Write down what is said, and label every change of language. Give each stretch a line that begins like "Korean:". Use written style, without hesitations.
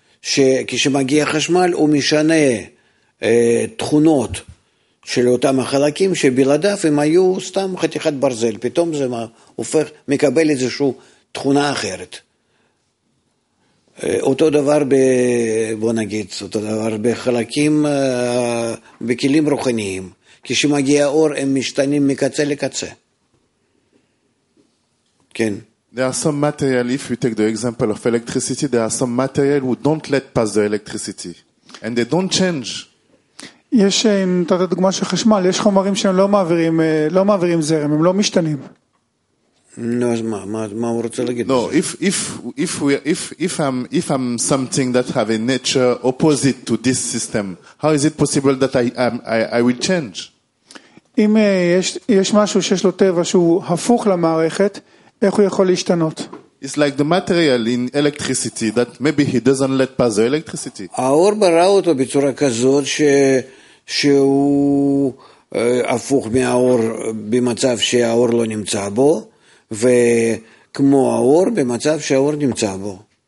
Hebrew: שכשמגיע חשמל הוא משנה תכונות של אותם החלקים שבלעדיו הם היו סתם חתיכת ברזל, פתאום זה מה, הופך, מקבל איזושהי תכונה אחרת. אותו דבר ב, בוא נגיד, אותו דבר בחלקים, בכלים רוחניים, כשמגיע אור הם משתנים מקצה לקצה. כן.
English: There are some material, if we take the example of electricity, there are some material who don't let pass the electricity. And they don't change.
Hebrew: יש, אם נתת דוגמה של חשמל, יש חומרים שהם לא מעבירים, לא מעבירים זרם, הם לא משתנים. No, אז מה, מה, מה הוא רוצה להגיד?
English: No, if I'm something that have a nature opposite to this system, how is it possible that I will change?
Hebrew: אם יש משהו שיש לו טבע שהוא הפוך למערכת, איך הוא יכול להשתנות?
English: It's like the material in electricity that maybe he doesn't let pass the electricity.
Hebrew: האור ברא אותו בצורה כזאת שהוא הפוך מהאור במצב שהאור לא נמצא בו, וכמו האור במצב שהאור נמצא בו.